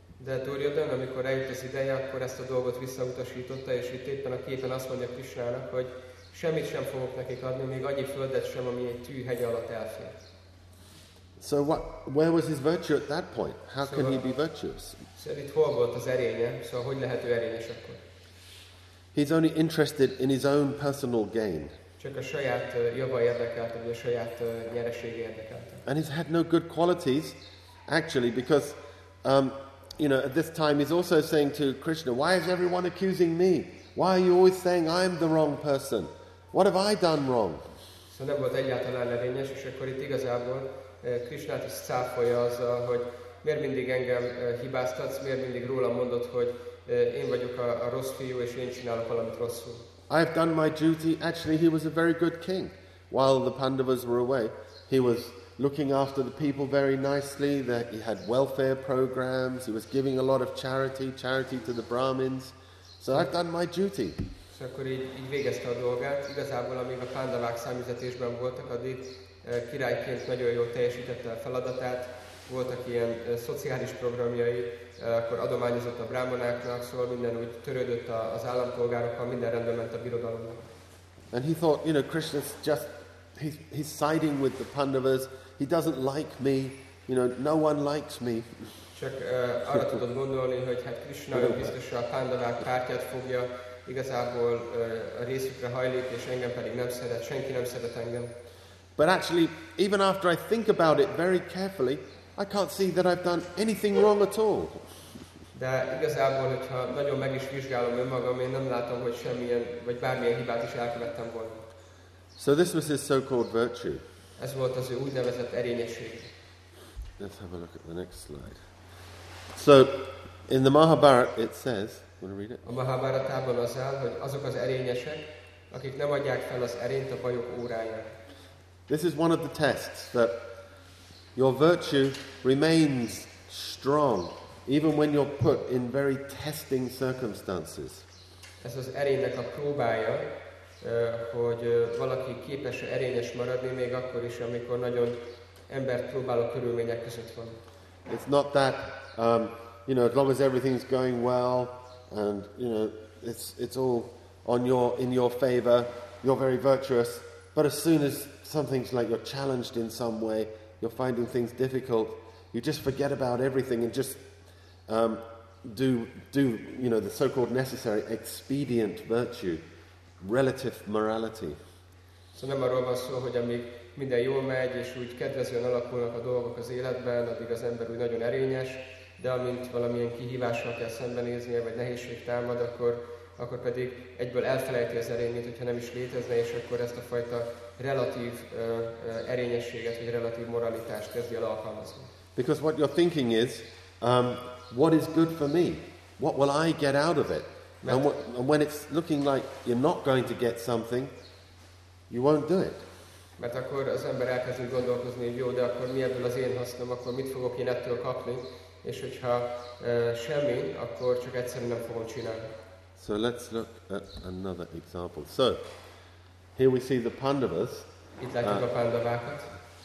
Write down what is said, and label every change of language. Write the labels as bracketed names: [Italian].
[Hungarian] De Duryodhan, amikor eljött az ideje, akkor ezt a dolgot visszautasította, és itt éppen a képen azt mondja Krisnának, hogy semmit sem fogok nekik adni, még annyi földet sem, ami egy tűhegy alatt elfér. [English] So what, where was his virtue at that point? How can he be virtuous? [Hungarian] Szerint hol volt az erénye? Szóval hogy lehet ő erényes akkor? [English] He's only interested in his own personal gain. [Hungarian] Csak a saját java érdekelte, vagy a saját nyeresége érdekelte. [English] And he's had no good qualities, actually, because... you know, at this time he's also saying to Krishna, why is everyone accusing me? Why are you always saying I'm the wrong person? What have I done wrong? [Hungarian] So nem volt egyáltalán erényes, és akkor itt igazából Krishnát is cáfolja azzal, hogy miért mindig engem hibáztatsz, miért mindig rólam mondod, hogy én vagyok a rossz fiú, és én csinálok valamit rosszul. [English] I have done my duty. Actually, he was a very good king. While the Pandavas were away, he was... looking after the people very nicely, that he had welfare programs, he was giving a lot of charity to the Brahmins. So I've done my duty. [Hungarian] So akkor így végezte a dolgát. Igazából, amíg a Pandavák számüzetésben voltak, addig királyként nagyon jól teljesítette a feladatát. Voltak ilyen szociális programjai, akkor adományozott a brahmanáknak, szóval minden úgy törődött az állampolgárokkal, minden rendben ment a birodalomnak. [English] And he thought, you know, Krishna's just... He's siding with the Pandavas. He doesn't like me. You know, no one likes me. [Hungarian] Csak arra tudod gondolni, hogy hát Krishna nagyon biztosan a Pandavák pártját fogja, igazából a részükre hajlik, és engem pedig nem szeret. Senki nem szeret engem. [English] But actually, even after I think about it very carefully, I can't see that I've done anything wrong at all. [Hungarian] De igazából, hogyha nagyon meg is vizsgálom önmagam, én nem látom, hogy semmilyen, vagy bármilyen hibát is elkövettem volna. [English] So this was his so-called virtue. [Hungarian] Ez volt az ő úgynevezett erényesség. [English] Let's have a look at the next slide. So, in the Mahabharata it says, want to read it? [Hungarian] A Mahabharatában az áll, hogy azok az erényesek, akik nem adják fel az erényt a bajok óráján. [English] This is one of the tests, that your virtue remains strong, even when you're put in very testing circumstances. [Hungarian] Ez az erénynek a próbája, hogy valaki képes erényes maradni még akkor is, amikor nagyon embert próbáló körülmények között van. [English] It's not that, you know, as long as everything's going well and you know it's all on your in your favor, you're very virtuous. But as soon as something's like you're challenged in some way, you're finding things difficult, you just forget about everything and just do you know the so-called necessary expedient virtue. Relative morality. [Hungarian] So nem arról van szó, hogy amíg minden jól megy, és úgy kedvezően alakulnak a dolgok az életben, addig az ember úgy nagyon erényes, de amint valamilyen kihívással kell szembenéznie, vagy nehézség támad, akkor pedig egyből elfelejti az erényét, hogyha nem is létezne, és akkor ezt a fajta relatív erényességet, vagy relatív moralitást kezdi el alkalmazni. [English] Because what you're thinking is, what is good for me? What will I get out of it? And when it's looking like you're not going to get something, you won't do it. [Hungarian] Mert akkor az ember elkezdi gondolkozni, hogy jó, de akkor mi ebből az én hasznom, akkor mit fogok én ettől kapni, és hogyha semmi, akkor csak egyszerűen nem fogom csinálni. [English] So let's look at another example. So, here we see the Pandavas. [Hungarian] Itt látjuk a Pandavákat.